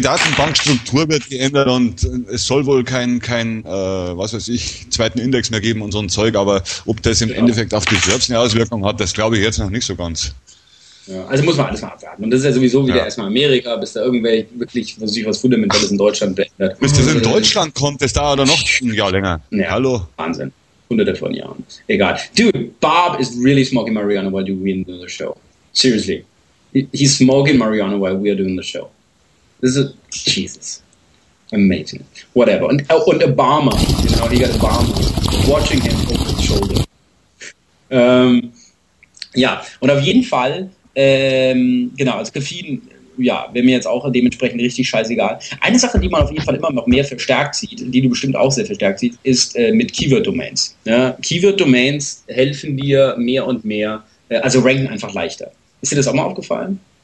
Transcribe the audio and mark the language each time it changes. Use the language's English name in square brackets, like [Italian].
[German] Datenbankstruktur wird geändert und es soll wohl keinen zweiten Index mehr geben und so ein Zeug, aber ob das im Endeffekt auf die Serbs eine Auswirkung hat, das glaube ich jetzt noch nicht so ganz. Ja, also muss man alles mal abwarten. Und das ist ja sowieso wieder erstmal Amerika, bis da irgendwelche wirklich sich was Fundamentales in Deutschland verändert. Bis das in Deutschland kommt, das dauert dann noch ein Jahr länger. Ja, hallo. Wahnsinn. Hunderte von Jahren. Egal. [English] Dude, Bob is really smoking Mariana while you win the show. Seriously. He's smoking marijuana while we are doing the show. This is Jesus. Amazing. Whatever. And Obama. You know, he got Obama watching him over his shoulder. [German] Und auf jeden Fall, also Caffeine, wäre mir jetzt auch dementsprechend richtig scheißegal. Eine Sache, die man auf jeden Fall immer noch mehr verstärkt sieht, die du bestimmt auch sehr verstärkt siehst, ist mit Keyword-Domains. Ja? Keyword-Domains helfen dir mehr und mehr, also ranken einfach leichter. Ist dir das auch mal aufgefallen?